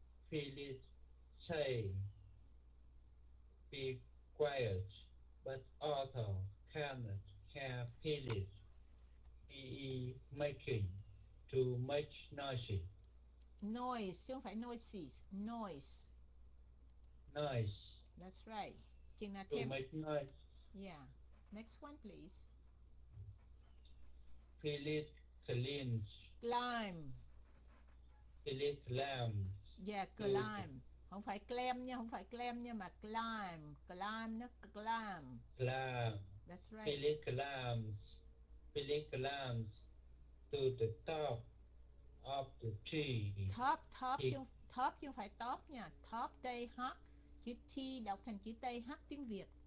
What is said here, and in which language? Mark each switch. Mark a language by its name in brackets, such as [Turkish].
[English] Felix say, be quiet, but Otto cannot hear Felix. He is making too much noise. [Vietnamese] Noise, chứ không phải noises, noise. [English] Noise. That's right. Can I too thêm? Much noise. Yeah. Next one, please. Felix clinch. Climb. Felix climb. Yeah, climb. [Vietnamese] Không phải clam nha, không phải clam nha, mà climb. [English] Climb, nó climb. Climb. That's right. Felix climbs. Felix climbs to the top of the tree. Top, top, top [Vietnamese] chứ không phải top nha. [English] Top, day, hot. [Vietnamese] Chữ T đọc thành chữ T, H tiếng Việt.